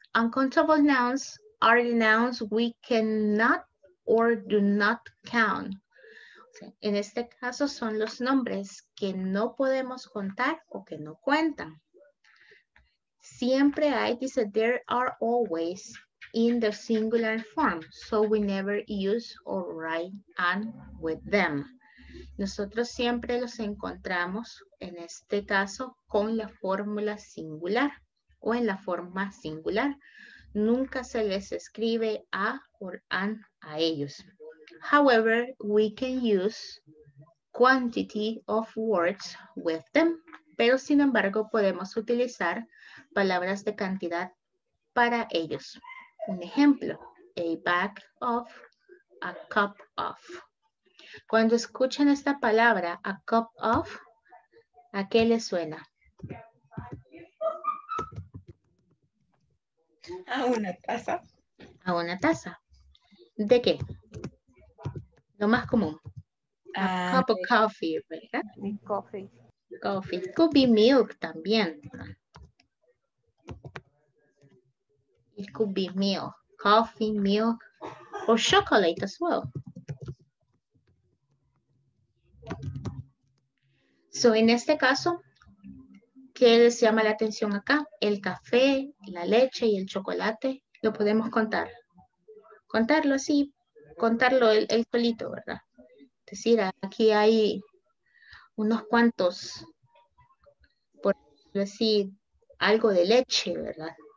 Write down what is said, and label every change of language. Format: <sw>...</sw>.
<en>Uncountable nouns are the nouns we cannot or do not count.</en> <es>En este caso son los nombres que no podemos contar o que no cuentan. Siempre hay, dice,</es> <en>there are always in the singular form, so we never use or write an with them.</en> <es>Nosotros siempre los encontramos, en este caso, con la fórmula singular o en la forma singular. Nunca se les escribe a or an a ellos.</es> <en>However, we can use quantity of words with them.</en> <es>Pero sin embargo, podemos utilizar palabras de cantidad para ellos. Un ejemplo,</es> <en>a bag of, a cup of.</en> <es>Cuando escuchan esta palabra,</es> <en>a cup of,</en> <es>¿a qué les suena? A una taza. A una taza. ¿De qué? Lo más común.</es> <en>A cup of coffee, ¿verdad? Coffee. Coffee. Could be milk</en> <es>también.</es> <en>It could be milk, coffee, milk, or chocolate as well.</en> <es>So, en este caso, ¿qué les llama la atención acá? El café, la leche y el chocolate, ¿lo podemos contar? Contarlo así, contarlo el solito, ¿verdad? Es decir, aquí hay unos cuantos, por decir, algo de leche, ¿verdad?</es>